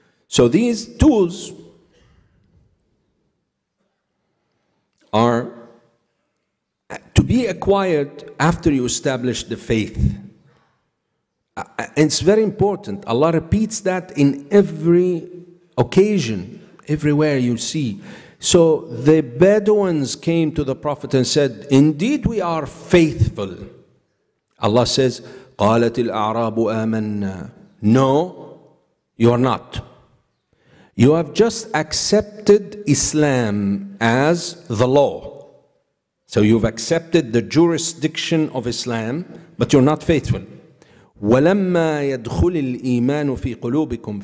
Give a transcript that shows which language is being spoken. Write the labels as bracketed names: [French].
[English] So these tools are to be acquired after you establish the faith. And it's very important. Allah repeats that in every occasion, everywhere you see. So the Bedouins came to the Prophet and said, indeed we are faithful. Allah says, [Arabic] قالت الأعراب آمنا. [English] No, you are not. You have just accepted Islam as the law. So you've accepted the jurisdiction of Islam, but you're not faithful. [Arabic] وَلَمَّا يَدْخُلِ الْإِيمَانُ فِي قُلُوبِكُمْ.